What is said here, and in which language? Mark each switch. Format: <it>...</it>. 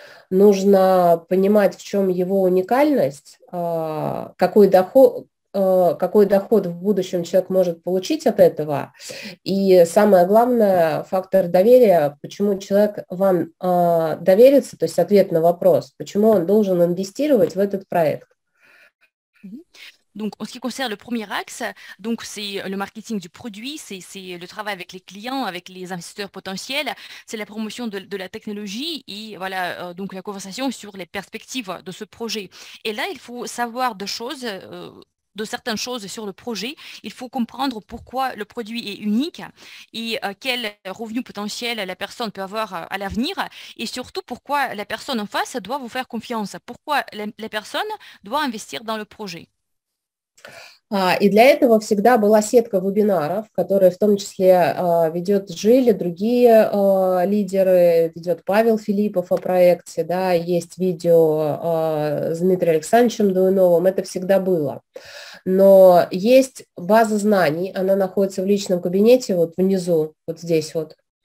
<ru>нужно понимать, в чем его уникальность, какой доход в будущем человек может получить от этого. И самое главное, фактор доверия, почему человек вам доверится, то есть ответ на вопрос, почему он должен инвестировать в этот проект.</ru> <fr>Donc, en ce qui concerne le premier axe, donc c'est le marketing du produit, c'est le travail avec les clients, avec les investisseurs potentiels, c'est la promotion de la technologie et voilà, donc la conversation sur les perspectives de ce projet. Et là, il faut savoir deux choses. De certaines choses sur le projet, il faut comprendre pourquoi le produit est unique et quel revenu potentiel la personne peut avoir à l'avenir et surtout pourquoi la personne en face doit vous faire confiance, pourquoi la personne doit investir dans le projet.</fr> <ru>И для этого всегда была сетка вебинаров, которые в том числе ведет Жили, другие лидеры, ведет Павел Филиппов о проекте, да, есть видео с Дмитрием Александровичем Дуйновым, это всегда было. Но есть база знаний, она находится в личном кабинете вот внизу, вот здесь вот.</ru>